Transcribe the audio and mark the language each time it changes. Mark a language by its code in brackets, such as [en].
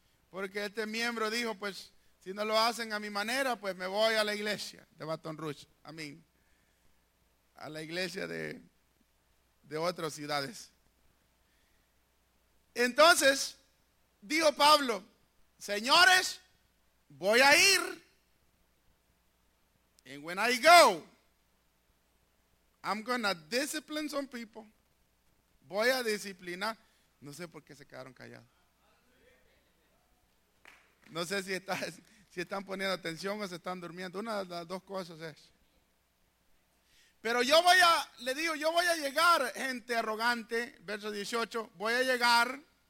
[es] Porque este miembro dijo, pues, si no lo hacen a mi manera, pues me voy a la iglesia de Baton Rouge. A la iglesia de otras ciudades. Entonces, dijo Pablo, señores, voy a ir. [en] And when I go, I'm gonna discipline some people. [es] Voy a disciplinar. No sé por qué se quedaron callados. No sé si están poniendo atención o se están durmiendo. Una de las dos cosas es. Pero yo voy a llegar, gente arrogante, verso 18, voy a llegar.